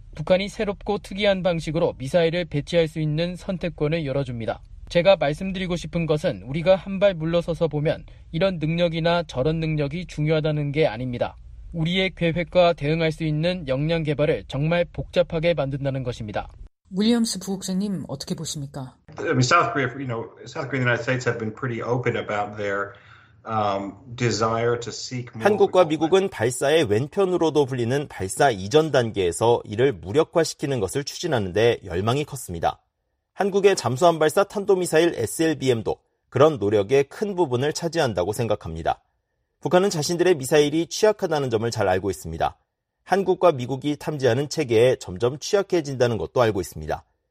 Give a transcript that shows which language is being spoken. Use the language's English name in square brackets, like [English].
[Korean] 북한이 새롭고 특이한 방식으로 미사일을 배치할 수 있는 선택권을 열어줍니다. 제가 말씀드리고 싶은 것은 우리가 한 발 물러서서 보면 이런 능력이나 저런 능력이 중요하다는 게 아닙니다. 우리의 계획과 대응할 수 있는 역량 개발을 정말 복잡하게 만든다는 것입니다. 윌리엄스 부국장님 어떻게 보십니까? [English] I mean, South Korea, you know, South Korea and the United States have been pretty open about their desire to seek more. [Korean] 한국과 미국은 발사의 왼편으로도 불리는 발사 이전 단계에서 이를 무력화시키는 것을 추진하는데 열망이 컸습니다. 한국의 잠수함 발사 탄도미사일 SLBM도 그런 노력의 큰 부분을 차지한다고 생각합니다. 북한은 자신들의 미사일이 취약하다는 점을 잘 알고 있습니다. 한국과 미국이 탐지하는 체계에 점점 취약해진다는 것도 알고 있습니다.